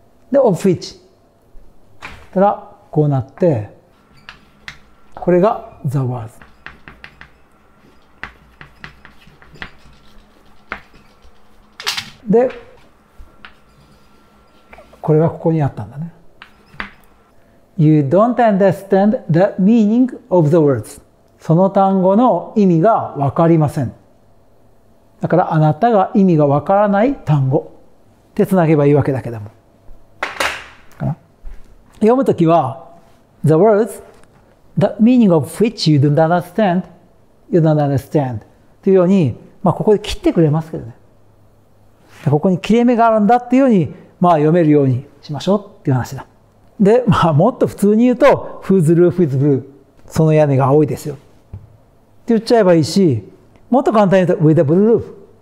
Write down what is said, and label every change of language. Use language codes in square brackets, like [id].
[ja] で、of which たらこうなって、これが the words。で、これはここにあったんだね。 [en] You don't understand the meaning of the words. [ja] その単語の意味がわかりません。だからあなたが意味がわからない単語ってつなげばいいわけだけども。読むときは、 [en] the words, the meaning of which you don't understand, you don't understand. [ja] というように、まあ、ここで切ってくれますけどね。ここに切れ目があるんだっていうように、まあ、読めるようにしましょうっていう話だ。で、まあ、もっと普通に言うと、 [en] who's roof is blue? [ja] その屋根が青いですよ。って言っちゃえばいいし、もっと簡単に言うと、 [en] with a blue roof。